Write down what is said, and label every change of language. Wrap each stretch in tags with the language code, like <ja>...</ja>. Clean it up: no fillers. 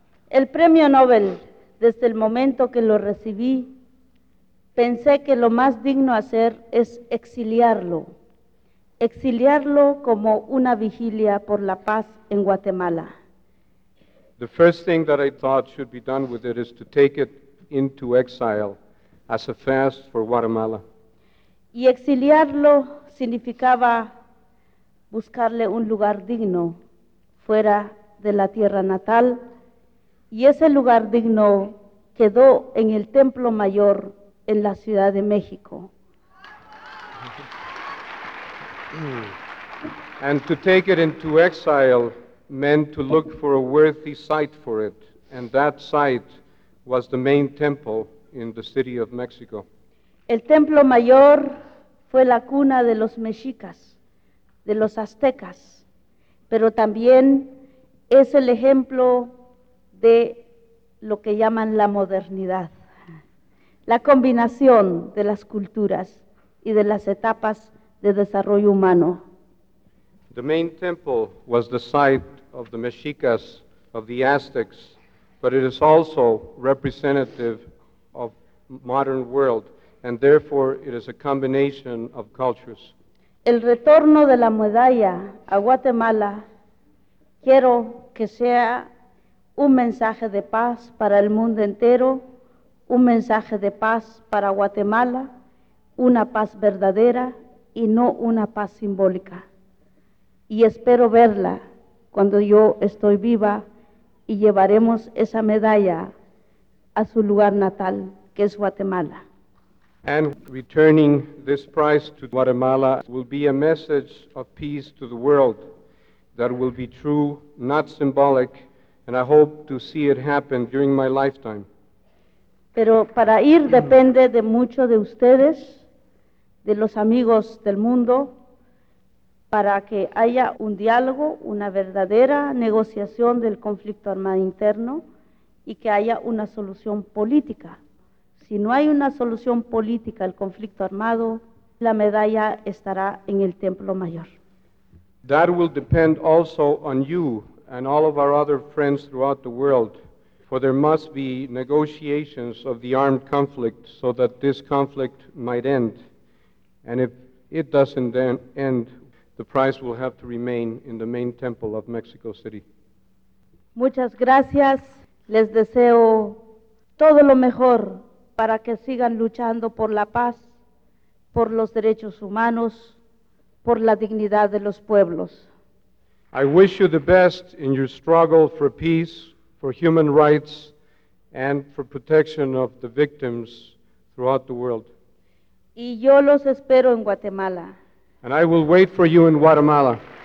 <es>El premio Nobel, desde el momento que lo recibí, pensé que lo más digno hacer es exiliarlo. Exiliarlo como una vigilia por la paz en Guatemala.</es> <en>The first thing that I thought should be done with it is to take it into exile as a fast for Guatemala.</en> <es>Y exiliarlo significaba buscarle un lugar digno fuera de la tierra natal. Y ese lugar digno quedó en el Templo Mayor en la Ciudad de México.</es> <en>And to take it into exile meant to look for a worthy site for it. And that site was the main temple in the city of Mexico.</en> <es>El Templo Mayor fue la cuna de los mexicas, de los aztecas, pero también es el ejemplo de lo que llaman la modernidad, la combinación de las culturas y de las etapas de desarrollo humano.</es> <en>The main temple was the site of the mexicas, of the Aztecs, but it is also representative of modern world, and therefore it is a combination of cultures.</en> <es>El retorno de la medalla a Guatemala, quiero que sea un mensaje de paz para el mundo entero, un mensaje de paz para Guatemala, una paz verdadera y no una paz simbólica. Y espero verla cuando yo estoy viva y llevaremos esa medalla a su lugar natal, que es Guatemala.</es> <en>And returning this prize to Guatemala will be a message of peace to the world that will be true, not symbolic, and I hope to see it happen during my lifetime.</en> <es>Pero para ir depende de mucho de ustedes, de los amigos del mundo, para que haya un diálogo, una verdadera negociación del conflicto armado interno y que haya una solución política. Si no hay una solución política al conflicto armado, la medalla estará en el Templo Mayor.</es> <en>That will depend also on you and all of our other friends throughout the world, for there must be negotiations of the armed conflict so that this conflict might end. And if it doesn't then end, the prize will have to remain in the main temple of Mexico City.</en> <es>Muchas gracias. Les deseo todo lo mejor para que sigan luchando por la paz, por los derechos humanos, por la dignidad de los pueblos.</es> <en>I wish you the best in your struggle for peace, for human rights, and for protection of the victims throughout the world.</en> <es>Y yo los espero en Guatemala.</es> <en>And I will wait for you in Guatemala.</en>